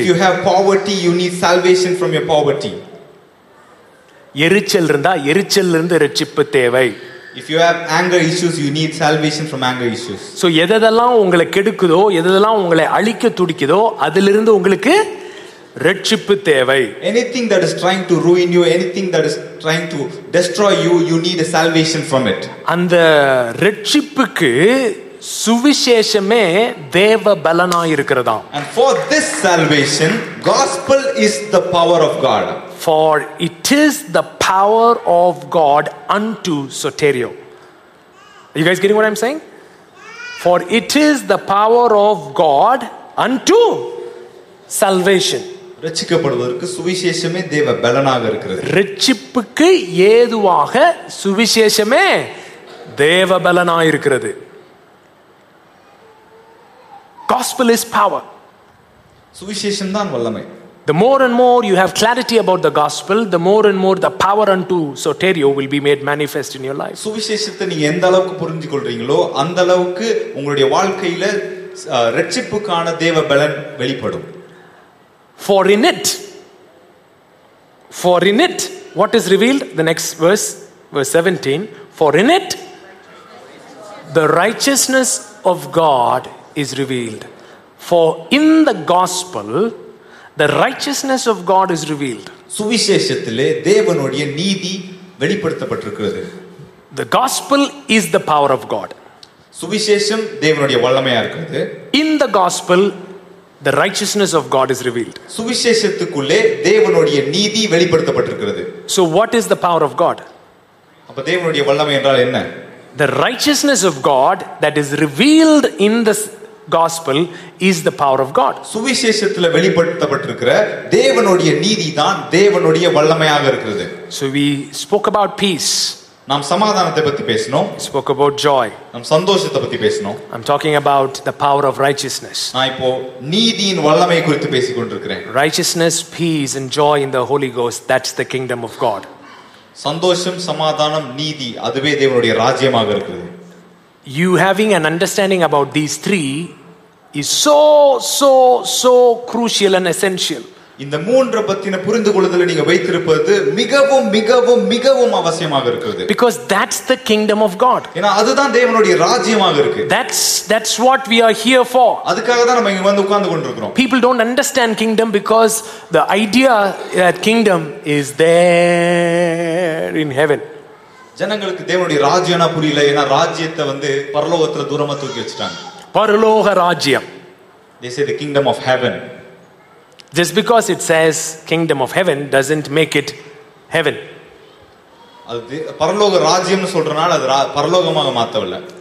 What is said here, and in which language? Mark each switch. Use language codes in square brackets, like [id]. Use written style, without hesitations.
[en] If you have poverty, you need salvation from your poverty. [ta] எரிச்சல் இருந்தா எரிச்சல்ல இருந்து ரட்சிப்பு தேவை. [en] If you have anger issues, you need salvation from anger issues. [ta] So எதெல்லாம் உங்களை கெடுக்குதோ எதெல்லாம் உங்களை அழிக்க துடிக்குதோ அதிலிருந்து உங்களுக்கு ரட்சிப்பு தேவை. [en] Anything that is trying to ruin you, anything that is trying to destroy you, you need a salvation from it. [ta] அந்த ரட்சிப்புக்கு சுவிசேஷமே தேவ பலனாய் இருக்கிறதாம். [en] And for this salvation, gospel is the power of God. For it is the power of God unto soterio. Are you guys getting what I'm saying? For it is the power of God unto salvation. [ta] ரட்சிக்கப்படுவதற்கு சுவிசேஷமே தேவ பலனாக இருக்கிறது. ரட்சிப்புக்கு ஏதுவாக சுவிசேஷமே தேவ பலனாக இருக்கிறது. [en] Gospel is power. [ta] சுவிசேஷம் தான் வல்லமை. [en] The more and more you have clarity about the gospel, the more and more the power unto soterio will be made manifest in your life. [ta] சுவிசேஷத்தை நீங்க எந்த அளவுக்கு புரிஞ்சிக்கொள்றீங்களோ அந்த அளவுக்கு உங்களுடைய வாழ்க்கையில ரட்சிப்புக்கான தேவ பலன் வெளிப்படும். [en] For in it, what is revealed? The next verse, verse 17. For in it, the righteousness of God is revealed. For in the gospel, the righteousness of God is revealed. [ta] சுவிசேஷத்திலே தேவனுடைய நீதி வெளிப்படுத்தப்பட்டிருக்கிறது. [en] The gospel is the power of God. [ta] சுவிசேஷம் தேவனுடைய வல்லமையா இருக்கிறது. [en] In the gospel, the righteousness of God is revealed. [ta] சுவிசேஷத்துக்குள்ளே தேவனுடைய நீதி வெளிப்படுத்தப்பட்டிருக்கிறது. [en] So what is the power of God? [ta] அப்ப தேவனுடைய வல்லமை என்றால் என்ன? [en] The righteousness of God that is revealed in the gospel is the power of God. [ta] சுவிசேஷத்திலே வெளிப்படுத்தப்பட்டிருக்கிற தேவனுடைய நீதி தான் தேவனுடைய வல்லமையாக இருக்கிறது. [en] So we spoke about peace. [ta] நாம் சமாதானத்தை பத்தி பேசணும். [en] Spoke about joy. [ta] நாம் சந்தோஷத்தை பத்தி பேசணும். [en] I'm talking about the power of righteousness. [ta] நான் இப்போ நீதியின் வல்லமை குறித்து பேசிக்கொண்டிருக்கிறேன். [en] Righteousness, peace and joy in the Holy Ghost, that's the kingdom of God. [ta] சந்தோஷம், சமாதானம், நீதி, அதுவே தேவனுடைய ராஜ்யமாக இருக்கிறது. [en] You having an understanding about these three is so so so crucial and essential. [ta] இந்த மூன்று பத்தின புரிந்துகொள்ளுதல நீங்க வைத்திருப்பது மிகவும் மிகவும் மிகவும் அவசியமாக இருக்குது. [en] Because that's the kingdom of God. [ta] ஏனா அதுதான் தேவனுடைய ராஜ்யமாக இருக்கு. [en] That's what we are here for. [ta] அதுக்காக தான் நாம இங்க வந்து உட்கார்ந்து கொண்டிருக்கிறோம். [en] People don't understand kingdom because the idea that kingdom is there in heaven. [ta] ஜனங்களுக்கு தேவனுடைய ராஜ்யம்னா புரியல. ஏனா ராஜ்யத்தை வந்து பரலோகத்துல தூரமா தூக்கி வச்சிட்டாங்க. பரலோக ராஜ்யம், [en] they say the kingdom of heaven. Just because it says kingdom of heaven doesn't make it heaven. [ta] அது பரலோக ராஜ்யம்னு சொல்றனால அது பரலோகமாக மாத்தவல்ல.